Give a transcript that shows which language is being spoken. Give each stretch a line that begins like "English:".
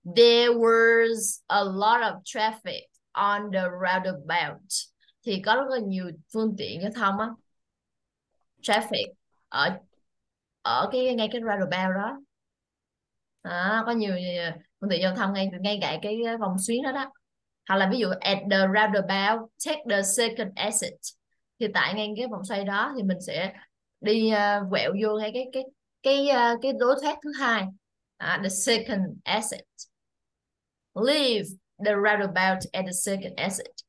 English: There was a lot of traffic on the roundabout.
Vietnamese: Thì có rất là nhiều phương tiện giao thông á, traffic ở ở cái ngay cái roundabout đó. À, có nhiều phương tiện giao thông ngay ngay cả cái vòng xuyến đó đó. Hoặc là ví dụ
English: at the roundabout take the second exit,
Vietnamese: thì tại ngay cái vòng xoay đó thì mình sẽ đi quẹo vô ngay cái lối thoát thứ hai.
English: À, the second exit, leave the roundabout at the second exit.